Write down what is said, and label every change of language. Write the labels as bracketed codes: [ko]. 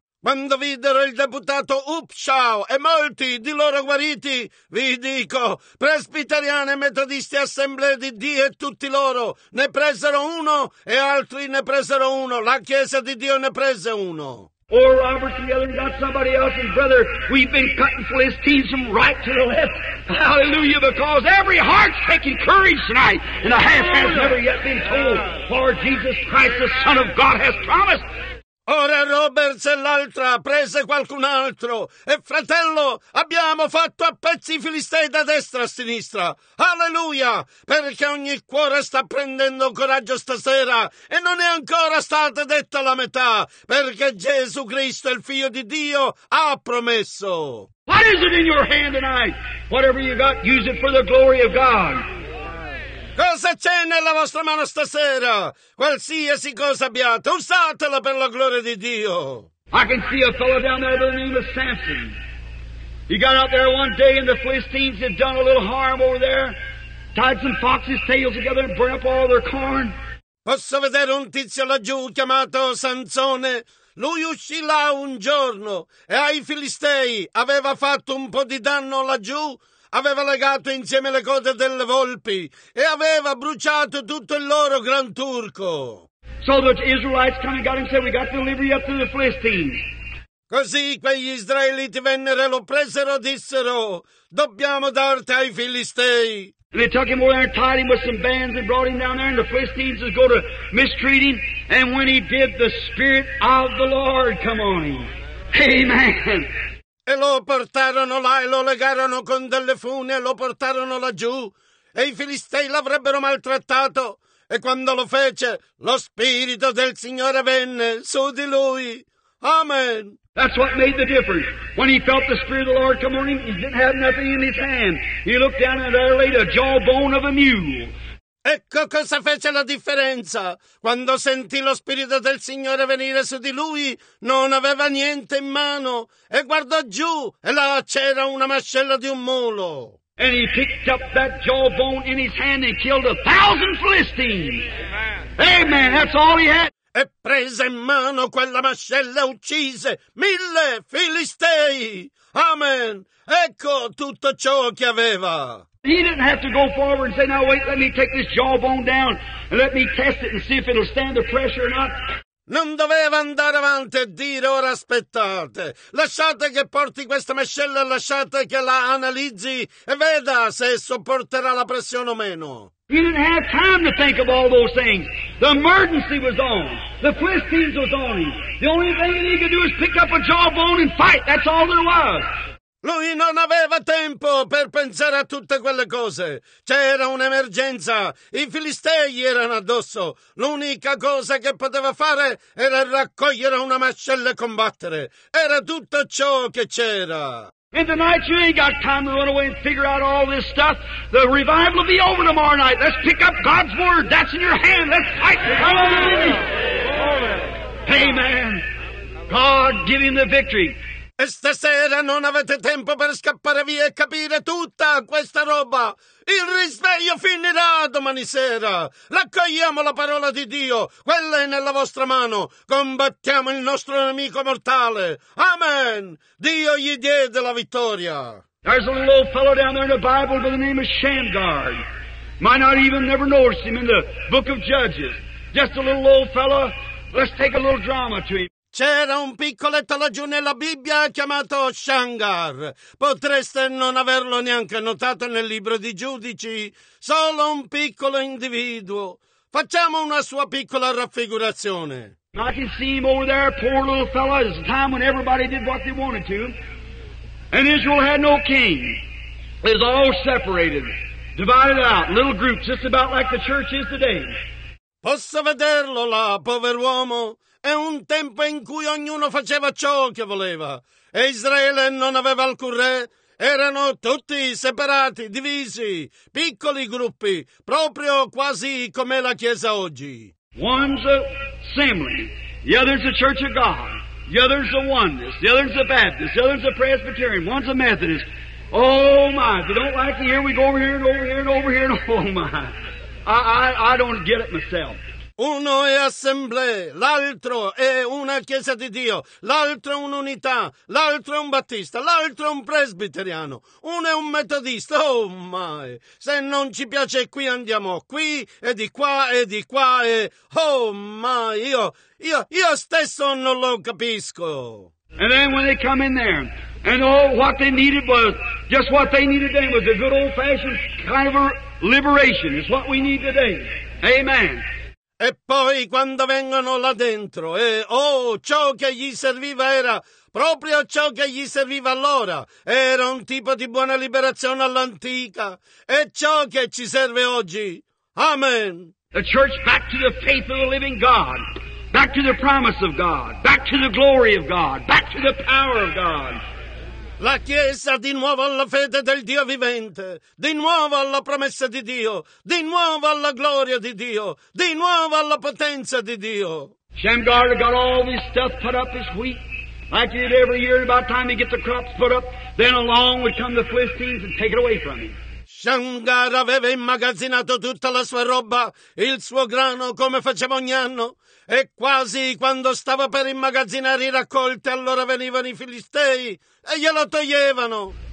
[it] Quando videro il deputato Upshaw e molti di loro guariti, vi dico, presbiteriani, metodisti, assemblee di Dio e tutti loro, ne presero uno e altri ne presero uno, la Chiesa di Dio ne prese uno. [en] Or Robert and the other got somebody else, and brother, we've been cutting Philistines from right to the left, hallelujah, because every heart's taking courage tonight, and a half has never yet been told, for Jesus Christ, the Son of God, has promised. [it] Ora Roberts e l'altra prese qualcun altro. E fratello, abbiamo fatto a pezzi i filistei da destra a sinistra. Alleluia! Perché ogni cuore sta prendendo coraggio stasera e non è ancora stata detta la metà, perché Gesù Cristo, il Figlio di Dio, ha promesso. [en] What is it in your hand tonight? Whatever you got, use it for the glory of God. [it] Cosa c'è nella vostra mano stasera? Qualsiasi cosa abbiate, usatela per la gloria di Dio. [en] I can see a fellow down there by the name of Samson. He got out there one day and the Philistines had done a little harm over there. Tied some foxes' tails together and burned up all their corn. [it] Posso vedere un tizio laggiù chiamato Sansone? Lui uscì là un giorno e ai Filistei aveva fatto un po' di danno laggiù. Aveva legato insieme le code delle volpi e aveva bruciato tutto il loro gran turco. [en] So the Israelites kind of got him and said, we got to deliver you up to the Philistines. [it] Così quegli israeliti vennero e lo presero e dissero, dobbiamo darti ai Filistei. [en] And they took him over there and tied him with some bands and brought him down there, and the Philistines would go to mistreat him. And when he did, the Spirit of the Lord come on him. Amen. [it] E lo portarono là e lo legarono con delle fune e lo portarono laggiù. E i filistei l'avrebbero maltrattato. E quando lo fece, lo spirito del Signore venne su di lui. Amen. [en] That's what made the difference. When he felt the Spirit of the Lord come on him, he didn't have nothing in his hand. He looked down and there laid a jawbone of a mule. [it] Ecco cosa fece la differenza. Quando sentì lo Spirito del Signore venire su di lui, non aveva niente in mano, e guardò giù, e là c'era una mascella di un mulo. [en] And he picked up that jawbone in his hand and killed 1,000 Philistines. Amen. Amen, that's all he had. [it] E prese in mano quella mascella e uccise 1,000 Filistei. Amen. Ecco tutto ciò che aveva. [en] He didn't have to go forward and say, now wait, let me take this jawbone down and let me test it and see if it'll stand the pressure or not. [it] Non doveva andare avanti e dire ora aspettate. Lasciate che porti questa mascella, lasciate che la analizzi e veda se sopporterà la pressione o meno. [en] You didn't have time to think of all those things. The emergency was on. The Philistines was on him. The only thing he could do is pick up a jawbone and fight. That's all there was. [it] Lui non aveva tempo per pensare a tutte quelle cose. C'era un'emergenza. I filistei erano addosso. L'unica cosa che poteva fare era raccogliere una mascella e combattere. Era tutto ciò che c'era. [en] And tonight you ain't got time to run away and figure out all this stuff. The revival will be over tomorrow night. Let's pick up God's word. That's in your hand. Let's fight. Amen. Amen. God, give him the victory. [it] E stasera non avete tempo per scappare via e capire tutta questa roba. Il risveglio finirà domani sera. Raccogliamo la parola di Dio. Quella è nella vostra mano. Combattiamo il nostro nemico mortale. Amen. Dio gli diede la vittoria. [en] There's a little fellow down there in the Bible by the name of Shamgar. Might not even never notice him in the book of Judges. Just a little old fellow. Let's take a little drama to him. [it] C'era un piccoletto laggiù nella Bibbia chiamato Shamgar. Potreste non averlo neanche notato nel libro di Giudici. Solo un piccolo individuo. Facciamo una sua piccola raffigurazione. [en] I can see him over there, poor little fellow. It's a time when everybody did what they wanted to. And Israel had no king. It was all separated, divided out, little groups, just about like the church is today. [it] Posso vederlo là, pover'uomo? È un tempo in cui ognuno faceva ciò che voleva. E Israele non aveva alcun re. Erano tutti separati, divisi, piccoli gruppi, proprio quasi come la Chiesa oggi. [en] One's a assembly, the other's a church of God, the other's a oneness, the other's a Baptist, the other's a Presbyterian, one's a Methodist. Oh my, if you don't like to hear, we go over here and over here and over here and oh my. I don't get it myself. [it] Uno è assemblea, l'altro è una chiesa di Dio, l'altro è un'unità, l'altro è un battista, l'altro è un presbiteriano, uno è un metodista, [en] oh my, [it] se non ci piace qui andiamo qui e di qua e oh my, io stesso non lo capisco. [en] And then when they come in there, and all what they needed was, just what they needed then was a good old fashioned kind of liberation, is what we need today, amen. [it] E poi quando vengono là dentro, ciò che gli serviva era proprio ciò che gli serviva allora. Era un tipo di buona liberazione all'antica. È ciò che ci serve oggi. Amen. [en] The church back to the faith of the living God. Back to the promise of God. Back to the glory of God. Back to the power of God. [it] La Chiesa di nuovo alla fede del Dio vivente, di nuovo alla promessa di Dio, di nuovo alla gloria di Dio, di nuovo alla potenza di Dio. [en] Shamgar got all this stuff put up, his wheat, like he did every year, and about time he get the crops put up, then along would come the Philistines and take it away from him. [it] Shamgar aveva immagazzinato tutta la sua roba, il suo grano, come faceva ogni anno. E quasi quando stava per immagazzinare i raccolti, allora venivano i filistei e glielo toglievano.